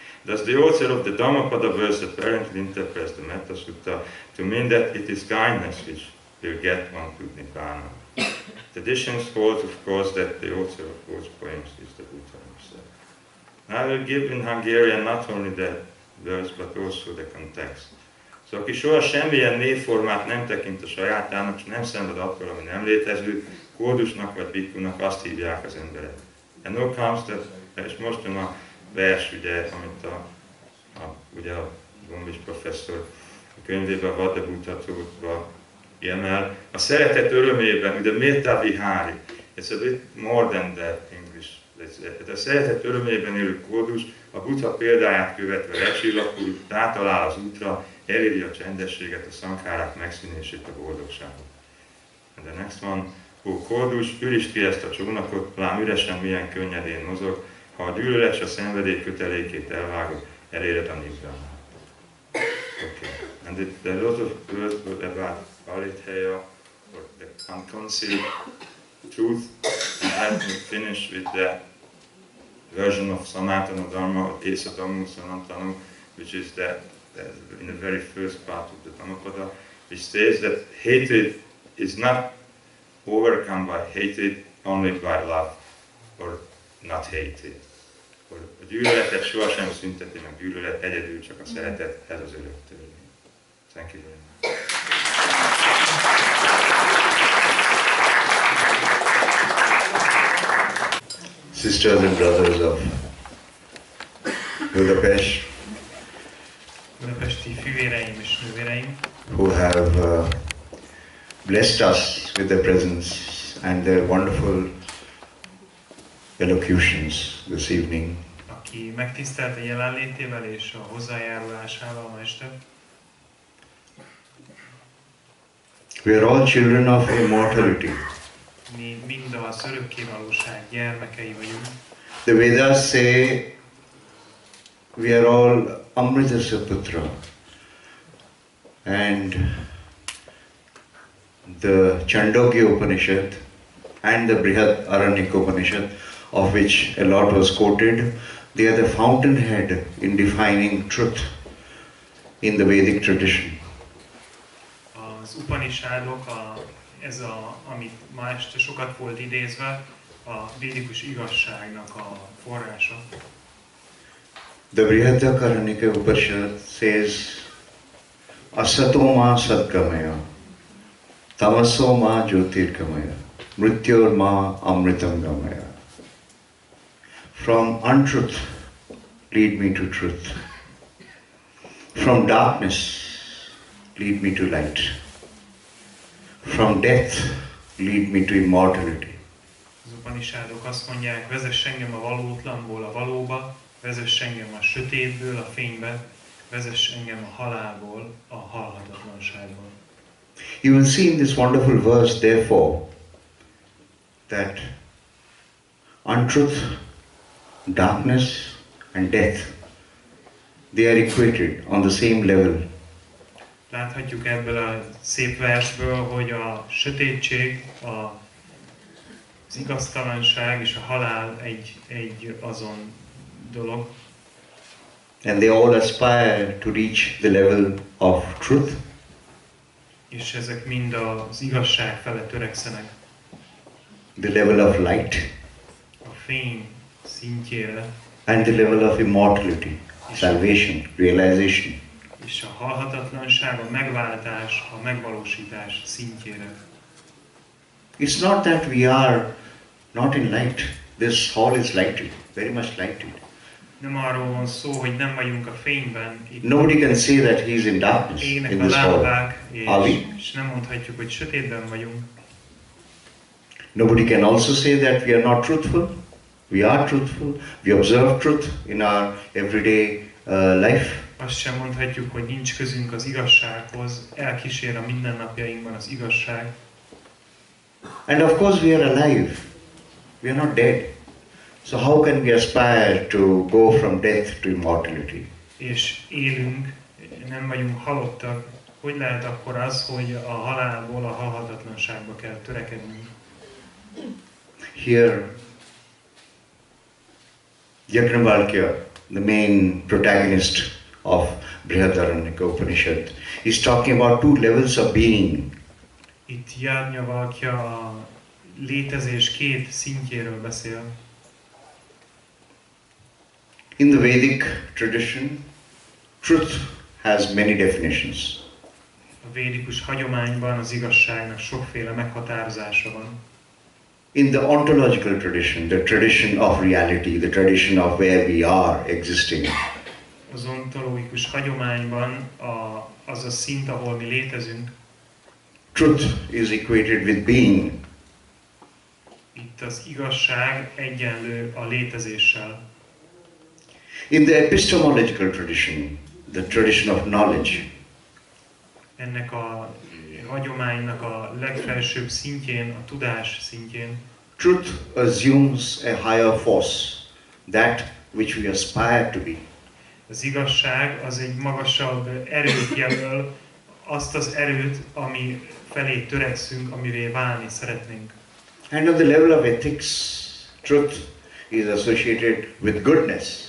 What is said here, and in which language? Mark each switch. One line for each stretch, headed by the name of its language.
English: Thus the author of the Dhammapada verse apparently interprets the Metta Sutta to mean that it is kindness which will get one to nirvana. Traditions hold, of course, that the author of those poems is the Buddha himself. I will give in Hungarian not only the verse, but also the context.
Hungarian: So, aki soha semmilyen névformát nem tekint a sajátjának, és nem szenved attól, ami nem létező, kódusnak vagy bikkunak, azt hívják az emberek.
English: And no comes that,
Hungarian: és most jön a vers, ugye, amit a Gombis professzor a könyvében, Vadabutatókban kiemel. A szeretet örömében, ugye
English: Mirta Vihari, it's a bit more than that English.
Hungarian: A szeretet örömében élő kódus a Buddha példáját követve lecsillapul, rátalál az útra, eléri a csendességet, a szankárák megszűnését, a boldogságot.
English: And the next one,
Hungarian: Ó, kordus, ülítsd ki ezt a csónakot, lám üresen milyen könnyedén mozog, ha a gyűlöles a szenvedély kötelékét elvágod, eléred a nibbánát.
English: Okay. And the lot of words were about Aritheia, or the unconcealed truth, and let me finish with the version of Sanatana Dharma, or Esadamu Sanatana, which is in the very first part of the Dhammapada, which says that hatred is not overcome by hatred, only by love, or not hated.
Hungarian: Or a gyűlöletet sohasem szünteti meg, gyűlölet egyedül csak a szeretet, ez az örök törvény.
English: Thank you very much. Sisters and brothers of Budapest,
Hungarian: budapesti fivéreim és nővéreim,
English: who have blessed us with their presence and their wonderful elocutions this evening.
Hungarian: Aki megtisztelt a jelenlétével és a hozzájárulásával ma este.
English: We are all children of immortality.
Hungarian: Mi mind a örökké valóság gyermekei vagyunk.
English: The Vedas say we are all Amrita Sher-Gil. And the Chandogya Upanishad and the Brihadaranyaka Upanishad, of which a lot was quoted, they are the fountainhead in defining truth in the Vedic tradition.
Hungarian: Az Upanishadok, ez a, amit ma este sokat volt idézve, a védikus igazságnak a forrása.
English: The Brihadaranyaka Upanishad says,
Sanskrit: Asato ma sadgamaya, tamaso ma jyotirgamaya, mrityor ma amritangamaya.
English: From untruth, lead me to truth. From darkness, lead me to light. From death, lead me to immortality.
Hungarian: Az Upanishadok azt mondják, vezess engem a valótlanból a valóba, vezess engem a sötétből a fénybe, vezess engem a halálból, a halhatatlanságból.
English: You will see in this wonderful verse, therefore, that untruth, darkness, and death, they are equated on the same level.
Hungarian: Láthatjuk ebből a szép versből, hogy a sötétség, az igaztalanság és a halál egy azon dolog.
English: And they all aspire to reach the level of truth.
Hungarian: És ezek mind az igazság felé törekszenek.
English: The level of light.
Hungarian: A fény szintjére.
English: And the level of immortality, salvation, realization.
Hungarian: És a halhatatlanság, a megváltás, a megvalósítás szintjére.
English: It's not that we are not in light. This hall is lighted, very much lighted.
Hungarian: Nem arról van szó, hogy nem vagyunk a fényben.
English: Nobody can say that he is in darkness in this hall.
Hungarian: És nem mondhatjuk, hogy sötétben vagyunk.
English: Nobody can also say that we are not truthful. We are truthful. We observe truth in our everyday life.
Hungarian: Azt sem mondhatjuk, hogy nincs közünk az igazsághoz. Elkísér a mindennapjainkban az igazság.
English: And of course we are alive. We are not dead. So how can we aspire to go from death to immortality?
Hungarian: És élünk, nem vagyunk halottak. Hogy lehet akkor az, hogy a halálból a halhatatlanságba kell törekednünk?
English: Here, Yajnavalkya, the main protagonist of Brihadaranyaka Upanishad, is talking about two levels of being.
Hungarian: Itt Yajnavalkya a létezés két szintjéről beszél.
English: In the Vedic tradition, truth has many definitions.
Hungarian: A védikus hagyományban az igazságnak sokféle meghatározása van.
English: In the ontological tradition, the tradition of reality, the tradition of where we are existing.
Hungarian: Az ontológikus hagyományban az a szint, ahol mi létezünk.
English: Truth is equated with being.
Hungarian: Itt az igazság egyenlő a létezéssel.
English: In the epistemological tradition, the tradition of knowledge,
Hungarian: ennek a hagyománynak a legfelsőbb szintjén, a tudás szintjén.
English: Truth assumes a higher force, that which we aspire to be.
Hungarian: Az igazság az egy magasabb erőt jelöl, azt az erőt, ami felé törekszünk, amivé válni szeretnénk.
English: And on the level of ethics, truth is associated with goodness.